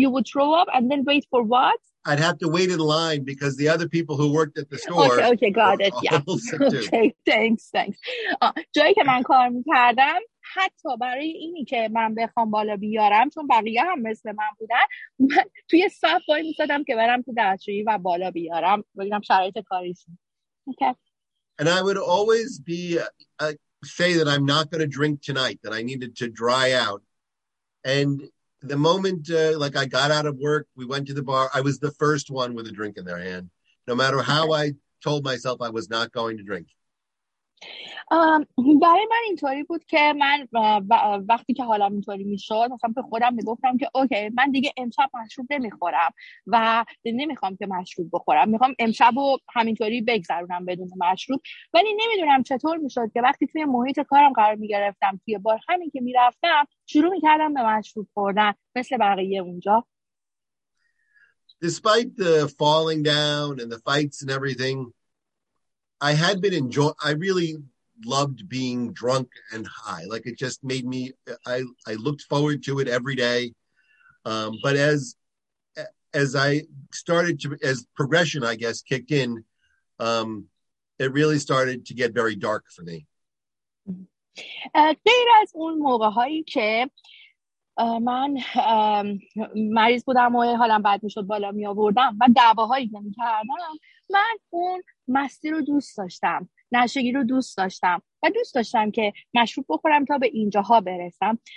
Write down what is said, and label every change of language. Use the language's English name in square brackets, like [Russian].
[English] You would throw up and then wait for what? I'd have to wait in line because the other people who worked at the store. Okay, got it. Yeah. Okay, thanks. [Persian] جایی که من کار میکردم، حتی برای اینی که من بخوام بالا بیارم، چون بقیه هم مثل من بودن، من توی صف وای میسادم که برم تو دستشویی و بالا بیارم. ببینم شرایط کاریش. Okay. [English] And I would always be say that I'm not going to drink tonight, that I needed to dry out. And the moment like I got out of work, we went to the bar, I was the first one with a drink in their hand, no matter how I told myself I was not going to drink. [Persian] برای من اینطوری بود که من وقتی که حالم اینطوری میشد، مثلا به خودم میگفتم که اوکی، من دیگه امشب مشروب نمیخورم و نمیخوام که مشروب بخورم، میخوام امشب رو همینطوری بگذرونم بدون مشروب. ولی نمیدونم چطور میشد که وقتی توی محیط کارم قرار میگرفتم، توی بار همین که میرفتم شروع میکردم به مشروب خوردن مثل بقیه اونجا. [English] Despite the falling down and the fights and everything, I had been enjoying, I really loved being drunk and high. Like it just made me, I looked forward to it every day. But as I started to, as progression, I guess, kicked in, it really started to get very dark for me. [Persian] غیر از اون موقع هایی که من مریض بودم و حالم بد میشد بالا می آوردم و دعواهایی که می کردم، من اون مستی رو دوست داشتم، نشگی رو دوست داشتم و دوست داشتم که مشروب بخورم تا به اینجاها برسم.